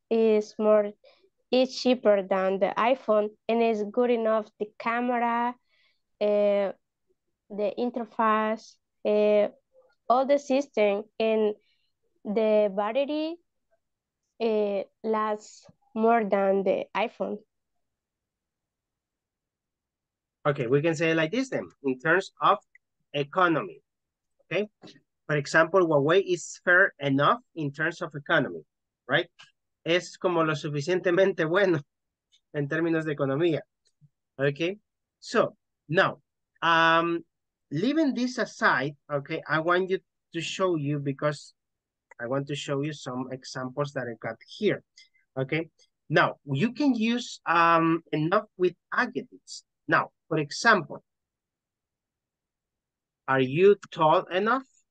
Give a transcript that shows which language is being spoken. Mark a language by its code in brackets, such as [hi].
[en] It's cheaper than the iPhone, and it's good enough the camera, the interface, all the system, and the battery lasts more than the iPhone. Okay, we can say it like this then, in terms of economy, okay? For example, Huawei is fair enough in terms of economy, right? [es] Es como lo suficientemente bueno en términos de economía, okay? [en] So, now, leaving this aside, okay, I want you to show you, because I want to show you some examples that I got here, okay? Now, you can use enough with adjectives. Now, for example, are you tall enough?